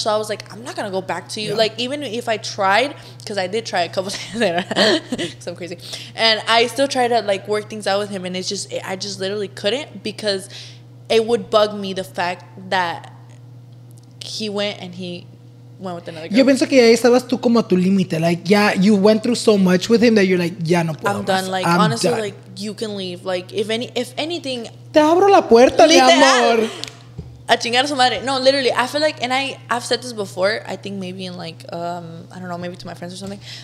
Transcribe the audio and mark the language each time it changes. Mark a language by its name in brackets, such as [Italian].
[English] So I was like, I'm not going to go back to you. Yeah. Like, even if I tried, because I did try a couple times later. Because I'm crazy. And I still tried to, like, work things out with him. And it's just, I just literally couldn't. Because it would bug me the fact that he went and he... [Spanish] Yo pienso que ya estabas tú como a tu límite. [English] Like, yeah, you went through so much with him that you're like, [Spanish] ya no puedo. [English] I'm done. Like, I'm honestly done. Like, you can leave. Like, if anything, [Spanish] te abro la puerta, mi amor. A chingar su madre. [English] No, literally, I feel like, and I've said this before, I think maybe in like, I don't know, maybe to my friends or something.